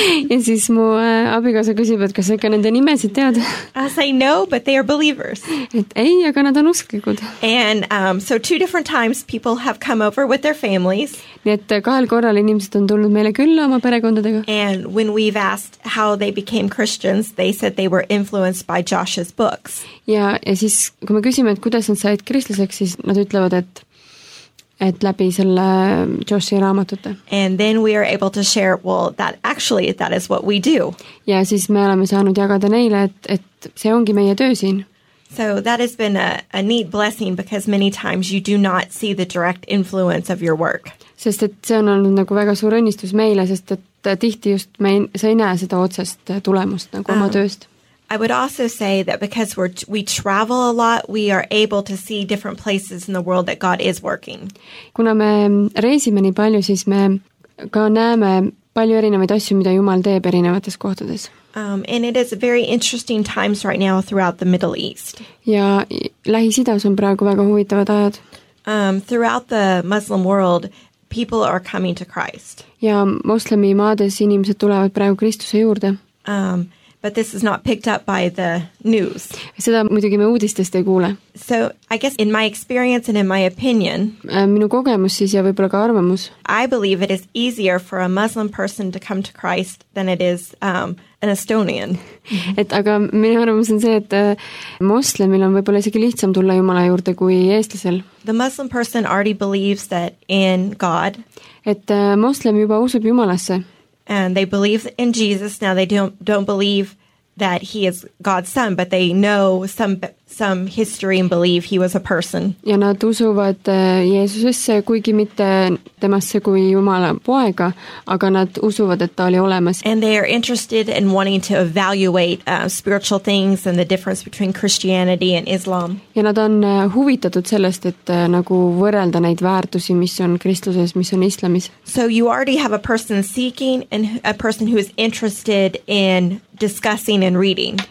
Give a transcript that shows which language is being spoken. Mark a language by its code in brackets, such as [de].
[et] Ja siis mu abikaasa küsib, et kas sa ikka nende nimesid tead? [en] I say no, but they are believers. [et] Et ei, aga nad on usklikud. [en] And so two different times people have come over with their families. [et] Nii et kahel korral inimesed on tulnud meile külla oma perekondadega. [en] And when we've asked how they became Christians, they said they were influenced by Josh's books. [et] Ja siis kui me küsime, et kuidas nad said kristlaseks, siis nad ütlevad, et läbi selle Joshi raamatute. [en] And then we are able to share, well, that actually, that is what we do. [et] Ja siis me oleme saanud jagada neile, et see ongi meie töö siin. [en] So that has been a neat blessing because many times you do not see the direct influence of your work. [et] Sest et see on olnud nagu väga suur õnnistus meile, sest et tihti just sa ei näe seda otsest tulemust nagu oma tööst. [en] I would also say that because we travel a lot, we are able to see different places in the world that God is working. [et] Kuna me reisime nii palju, siis me ka näeme palju erinevaid asju, mida Jumal teeb erinevates kohtades. [en] And it is a very interesting times right now throughout the Middle East. [et] Ja Lähis-Idas on praegu väga huvitavad ajad. [en] Throughout the Muslim world, people are coming to Christ. [et] Ja moslemi maades inimesed tulevad praegu Kristuse juurde. [en] But this is not picked up by the news. [et] Seda muidugi me uudistest ei kuule. [en] So I guess in my experience and in my opinion, [et] minu kogemus siis ja võib-olla ka arvamus, [en] I believe it is easier for a Muslim person to come to Christ than it is an Estonian. [et] Et aga minu arvamus on see, et moslemil on võib-olla isegi lihtsam tulla Jumala juurde kui eestlasel. [en] The Muslim person already believes that in God. [et] Et moslem juba usub Jumalasse. [en] And they believe in Jesus. Now they don't believe that he is God's son, but they know some history and believe he was a person. [et] Ja nad usuvad Jeesusesse, kuigi mitte temasse kui Jumala poega, aga nad usuvad, et ta oli olemas. [en] And they are interested in wanting to evaluate spiritual things and the difference between Christianity and Islam. [et] Ja nad on huvitatud sellest, et nagu võrrelda neid väärtusi, mis on kristluses, mis on islamis. [en] So you already have a person seeking and a person who is interested in discussing and reading.